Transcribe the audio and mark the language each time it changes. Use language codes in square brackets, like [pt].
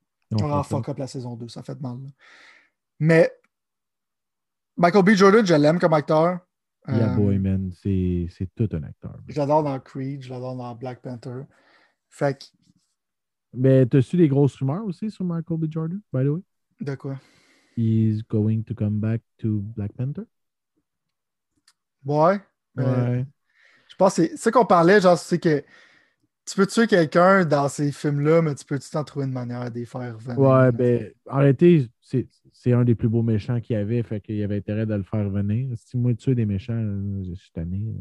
[fr] Ils ont [en] fuck up [fr] la saison 2. Ça fait de mal. Là. Mais Michael B. Jordan, je l'aime comme acteur. [en] Yeah, boy, man. [fr] C'est tout un acteur. Je l'adore dans Creed. Je l'adore dans Black Panther. Fait que. Mais t'as su des grosses rumeurs aussi sur Michael B. [en] Jordan, by the way? [fr] De quoi? [en] He's going to come back to Black Panther? [fr] Ouais. Je pense que c'est ce qu'on parlait, genre, c'est que tu peux tuer quelqu'un dans ces films-là, mais tu peux-tu t'en trouver une manière de les faire venir? Ouais, ben, arrêtez, c'est un des plus beaux méchants qu'il y avait, fait qu'il y avait intérêt de le faire venir. Si moi, tu es des méchants, je suis tanné.